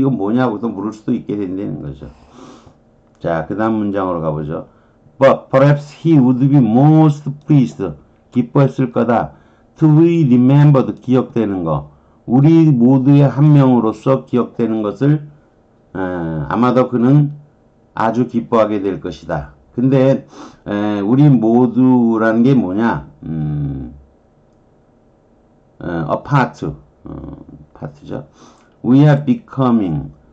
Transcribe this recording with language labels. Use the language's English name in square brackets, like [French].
[Korean] 이거 뭐냐고도 물을 수도 있게 된다는 거죠. 자, 그다음 문장으로 가보죠. [English] But perhaps he would be most pleased [Korean] 기뻐했을 거다. [English] To be remembered, [Korean] 기억되는 거. 우리 모두의 한 명으로서 기억되는 것을, 아마도 그는 아주 기뻐하게 될 것이다. 근데, 우리 모두라는 게 뭐냐? [English] A part. part죠. We are becoming.